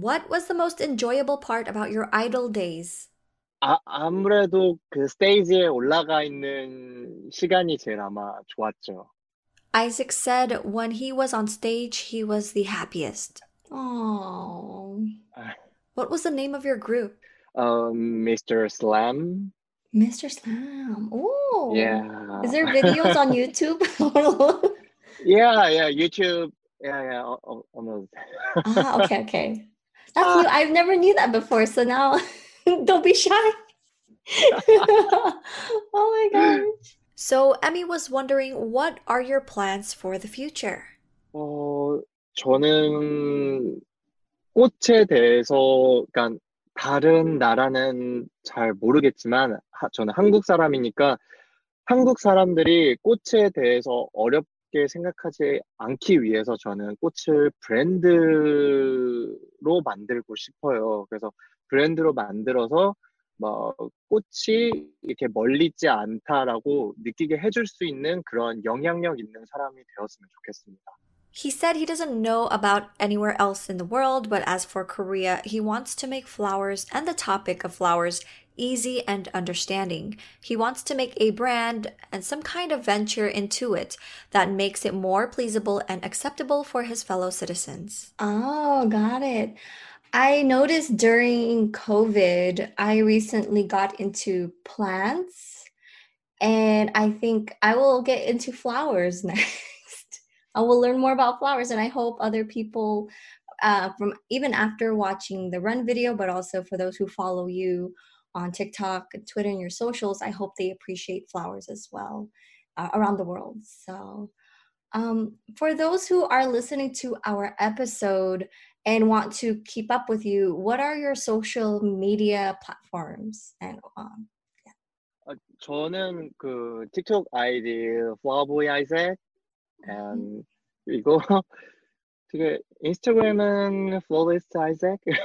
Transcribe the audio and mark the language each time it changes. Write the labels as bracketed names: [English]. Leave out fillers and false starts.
[English] What was the most enjoyable part about your idol days? [Korean] 아, 아무래도 그 스테이지에 올라가 있는 시간이 제일 아마 좋았죠. [English] Isaac said when he was on stage, he was the happiest. Aww. What was the name of your group? Mr. Slam. Mr. Slam. Ooh. Yeah. Is there videos on YouTube? Yeah, yeah, YouTube. Yeah, yeah, almost. okay. That's new. I've never knew that before, so now... Don't be shy. Oh my gosh. So Emmy was wondering, what are your plans for the future? [Korean] 저는 꽃에 대해서 약간 다른 나라는 잘 모르겠지만 저는 한국 사람이니까 한국 사람들이 꽃에 대해서 어렵게 생각하지 않기 위해서 저는 꽃을 브랜드로 만들고 싶어요. 그래서 브랜드로 만들어서 뭐 꽃이 이렇게 멀리 있지 않다라고 느끼게 해줄 수 있는 그런 영향력 있는 사람이 되었으면 좋겠습니다. [English] He said he doesn't know about anywhere else in the world, but as for Korea, he wants to make flowers and the topic of flowers easy and understanding. He wants to make a brand and some kind of venture into it that makes it more pleasable and acceptable for his fellow citizens. Oh, got it. I noticed during COVID, I recently got into plants, and I think I will get into flowers next. I will learn more about flowers, and I hope other people, from even after watching the Run video, but also for those who follow you on TikTok, Twitter, and your socials, I hope they appreciate flowers as well around the world. So for those who are listening to our episode, and want to keep up with you, what are your social media platforms? And yeah. [Korean] 저는 그 틱톡 아이디 flowerboy Isaac, and 그리고 되게 인스타그램은 flawless Isaac.